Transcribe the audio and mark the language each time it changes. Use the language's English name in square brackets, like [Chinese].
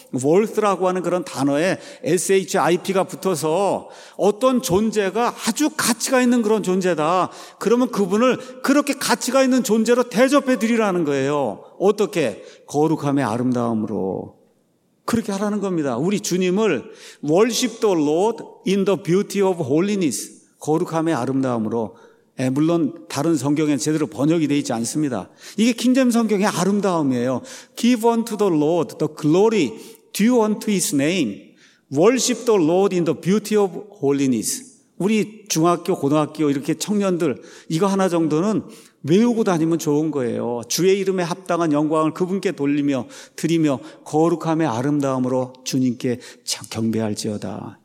[Korean] worth라고 하는 그런 단어에 SHIP가 붙어서 어떤 존재가 아주 가치가 있는 그런 존재다. 그러면 그분을 그렇게 가치가 있는 존재로 대접해 드리라는 거예요. 어떻게? 거룩함의 아름다움으로. 그렇게 하라는 겁니다. 우리 주님을 [English] worship the Lord in the beauty of holiness. [Korean] 거룩함의 아름다움으로. 예, 물론 다른 성경에 제대로 번역이 되어 있지 않습니다. 이게 킹제임스 성경의 아름다움이에요. [English] Give unto the Lord the glory due unto his name. Worship the Lord in the beauty of holiness. [Korean] 우리 중학교, 고등학교 이렇게 청년들 이거 하나 정도는 외우고 다니면 좋은 거예요. 주의 이름에 합당한 영광을 그분께 돌리며 드리며 거룩함의 아름다움으로 주님께 경배할지어다.